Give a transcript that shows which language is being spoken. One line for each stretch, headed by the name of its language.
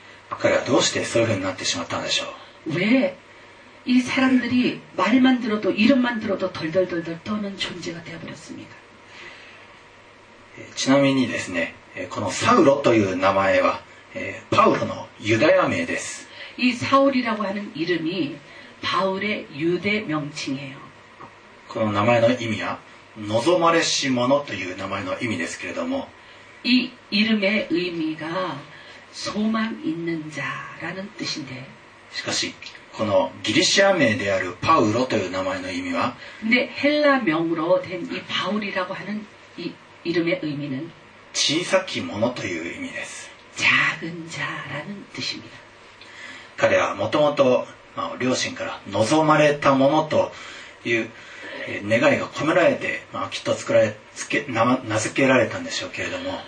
Korean: 그래
Japanese: どうしてそういうふうになってしまったんでしょう
Korean: 왜이사람들이말만들어도이름만들어도덜덜덜덜떠는존재가되어버렸습니다
Japanese: ちなみにですねこのサウロという名前はパウロのユダヤ名です
Korean: 이사울이라고하는이름이바울의유대명칭이에요
Japanese: この名前の意味は望まれし者という名前の意味ですけれども
Korean: 이이름의의미가소망있는자라는뜻인데
Japanese: しかしこのギリシア名であるパウロという名前の意味は
Korean: 근데헬라명으로된이바울이라고하는이이름의의미는
Japanese: 小さき者という意味です
Korean: 작은자라는뜻입니다
Japanese: 彼はもともと両親から望まれた者という願いが込められて、まあ、きっと作られつけ名付けられたんでしょうけれども